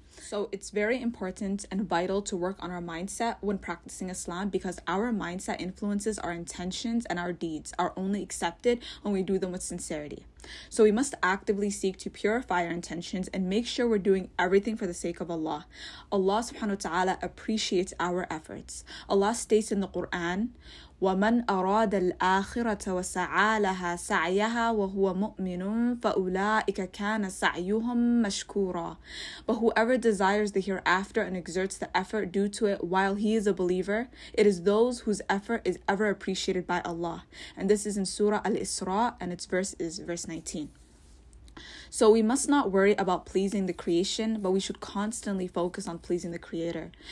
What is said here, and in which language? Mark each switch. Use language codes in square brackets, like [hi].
[en] So it's very important and vital to work on our mindset when practicing Islam, because our mindset influences our intentions, and our deeds are only accepted when we do them with sincerity. So we must actively seek to purify our intentions and make sure we're doing everything for the sake of Allah. Allah subhanahu wa ta'ala appreciates our efforts. Allah states in the Quran, [ar] وَمَنْ أَرَادَ الْآخِرَةَ وَسَعَى لَهَا سَعْيَهَا وَهُوَ مُؤْمِنٌ فَأُولَٰئِكَ كَانَ سَعْيُهُمْ مَشْكُورًا. [en] But whoever desires the hereafter and exerts the effort due to it while he is a believer, it is those whose effort is ever appreciated by Allah. And this is in Surah Al-Isra, and its verse is verse 19. So we must not worry about pleasing the creation, but we should constantly focus on pleasing the Creator.